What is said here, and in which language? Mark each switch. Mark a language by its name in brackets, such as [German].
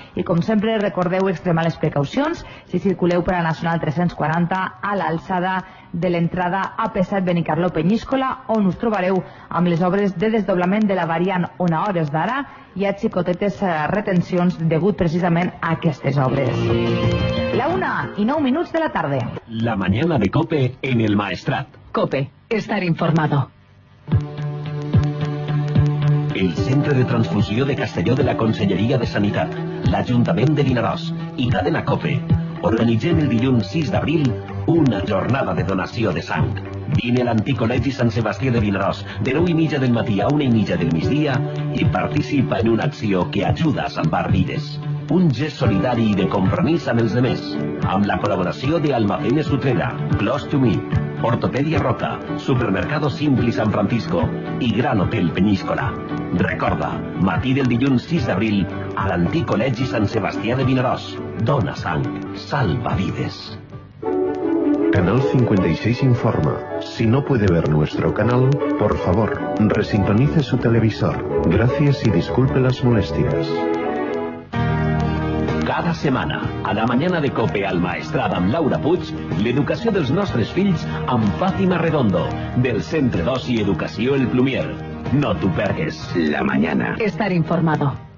[Catalan] I com sempre, recordeu extremar les precaucions si circuleu per la Nacional 340 a l'alçada de l'entrada a P7 Benicarló Peníscola, on us trobareu amb les obres de desdoblament de la variant on a hores d'ara hi ha xicotetes retencions degut precisament a aquestes obres. La una i nou minuts de la tarda. [Spanish] La mañana de COPE en el Maestrat. COPE, estar informado. [Catalan] El Centre de Transfusió de Castelló de la Conselleria de Sanitat, l'Ajuntament de Vinaròs i Cadena COPE organitzem el dilluns 6 d'abril una jornada de donació de sang. Vine a l'antic col·legi Sant Sebastià de Vinaròs de 9:30 del matí a 1:30 del migdia i participa en una acció que ajuda a salvar vides. Un gest solidari i de compromís amb els demés, amb la col·laboració de Almacenes Utrera, Close to Me, Ortopèdia Roca, Supermercado Simpli San Francisco i Gran Hotel Peníscola. Recorda, matí del dilluns 6 d'abril, a l'antic col·legi Sant Sebastià de Vinaròs. Dona sang, salva vides. Canal 56 informa. [Spanish] Si no puede ver nuestro canal, por favor, resintonice su televisor. Gracias y disculpe las molestias. [Catalan] Cada setmana, a la mañana de COPE al Maestrat amb Laura Puig, l'educació dels nostres fills amb Fàtima Redondo, del Centre d'Oci i Educació El Plumier. No t'ho perdis, la mañana. [Spanish] Estar informado.